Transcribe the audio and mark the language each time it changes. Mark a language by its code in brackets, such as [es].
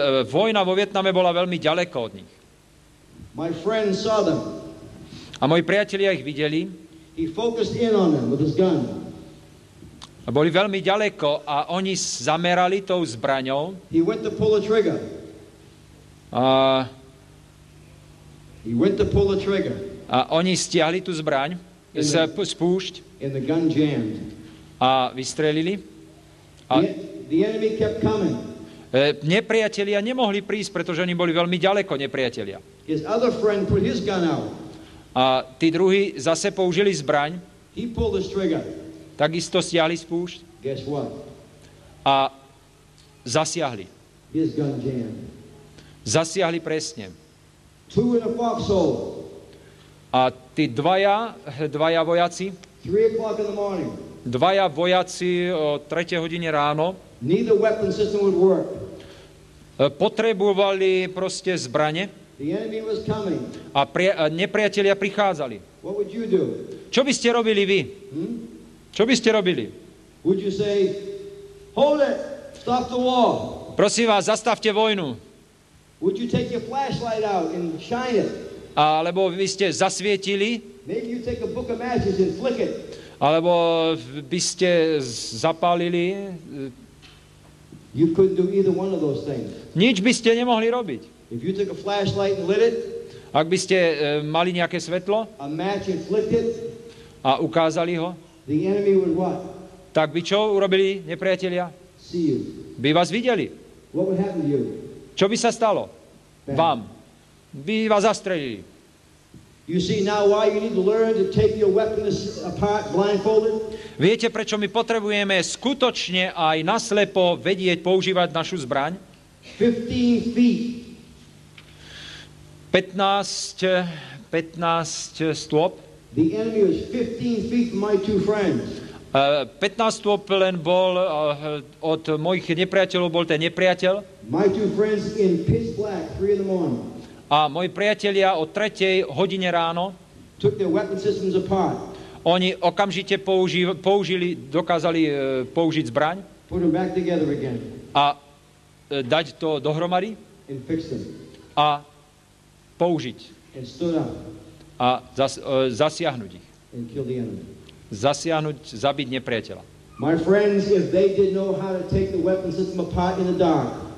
[sk] Vojna vo Vietname bola veľmi ďaleko od nich. [en] My friend saw them. [sk] A moji priatelia ich videli. [en] He focused in on them with his gun. [sk] A boli veľmi ďaleko a oni zamerali tou zbraňou. [en] He went to pull the trigger. [sk] A oni stiahli tú zbraň, spúšť. [en] And the gun jammed. [sk] A vystrelili. [en] A the enemy kept coming. [sk] Nepriatelia nemohli prísť, pretože oni boli veľmi ďaleko, nepriatelia. [en] His other friend put his gun out. [sk] A tí druhí zase použili zbraň. [en] He pulled the trigger. [sk] Takisto stiahli spúšť. [en] Guess what? [sk] A zasiahli. [en] his gun jammed. [sk] Zasiahli presne. [en] Two in a foxhole. [sk] A tí dvaja vojaci. [en] 3 o'clock in the morning. [sk] Dvaja vojaci o 3 hodine ráno. [en] Neither weapon system would work. [sk] Potrebovali proste zbrane. [en] The enemy was coming. [sk] A nepriatelia prichádzali. [en] What would you do? [sk] Čo by ste robili vy? Čo by ste robili? [en] Would you say, hold it, stop the war. [sk] Prosím vás, zastavte vojnu. [en] Would you take your flashlight out and shine it? [sk] Alebo by ste zasvietili? [en] Maybe you take a book of matches and flick it. [sk] Alebo by ste zapálili? [en] You couldn't do either one of those things. [sk] Nič by ste nemohli robiť. [en] If you took a flashlight and lit it, [sk] ak by ste mali nejaké svetlo [en] a match and flick it, [sk] a ukázali ho, [en] the enemy would what? [sk] Tak by čo urobili nepriatelia? [en] See you. [sk] By vás videli. [en] What would happen to you? [sk] Čo by sa stalo? Bam. Vám. By vás zastrelili. [en] You see now why you need to learn to take your weapons apart blindfolded? [sk] Viete, prečo my potrebujeme skutočne aj naslepo vedieť používať našu zbraň? [en] 15 feet. [sk] 15 stôp. [en] The enemy was 15 feet from my two friends. [sk] 15 stôp len bol od mojich nepriateľov, bol ten nepriateľ. [en] My two friends in pitch black, 3 in the morning. [sk] A moji priatelia o 3 hodine ráno [en] took their weapon systems apart. [sk] Oni okamžite použili, dokázali použiť zbraň, [en] put them back together again. [sk] A dať to dohromady [en] and fix them. [sk] A použiť [en] and stood up. [sk] A zasiahnuť ich. [en] And kill the enemy. [sk] Zasiahnuť, zabiť nepriateľa. [en] My friends, if they didn't know how to take the weapon system apart in the dark,